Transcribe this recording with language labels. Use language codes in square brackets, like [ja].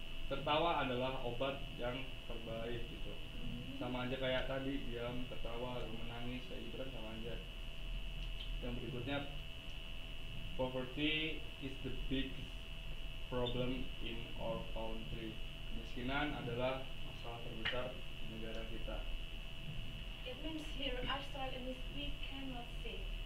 [id] Tertawa adalah obat yang terbaik gitu. Sama aja kayak tadi, diam, tertawa, menangis, kayak gitu kan sama aja. Yang berikutnya, [en] poverty is the biggest problem in our country. [id] Kemiskinan adalah masalah terbesar negara kita. [en] It means here abstract and we cannot see.